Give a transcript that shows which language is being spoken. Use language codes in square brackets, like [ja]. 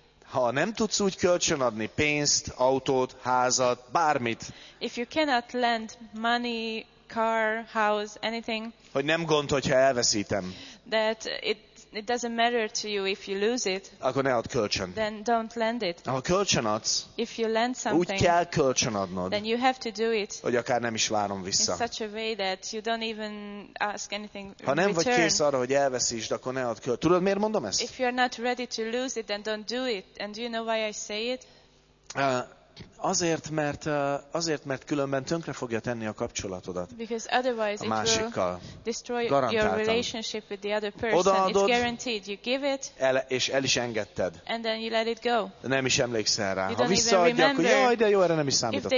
[hu] Ha nem tudsz úgy kölcsön adni pénzt, autót, házat, bármit, [en] if you cannot lend money, car, house, anything. [hu] Hogy nem gond, hogyha elveszítem. [en] That it's it doesn't matter to you if you lose it. [hu] Akkor ne add kölcsön. [en] Then don't lend it. [hu] Ha kölcsön adsz, [en] if you lend something, [hu] úgy kell kölcsön adnod, [en] then you have to do it. [hu] Hogy akár nem is várom vissza. [en] In such a way that you don't even ask anything [hu] return. Ha nem vagy kész arra, hogy elveszítsd, akkor ne add kölcsön. Tudod, miért mondom ezt? [en] If you are not ready to lose it, then don't do it. And do you know why I say it? [hu] Azért, mert különben tönkre fogja tenni a kapcsolatodat a másikkal. Garantáltan. Odaadod, [en] guaranteed. You give it, [hu] és el is engedted. [en] And then you let it go. [hu] Nem is emlékszel rá. [en] You [hu] ha visszaadja, akkor jaj, de jó, erre nem is számítottam.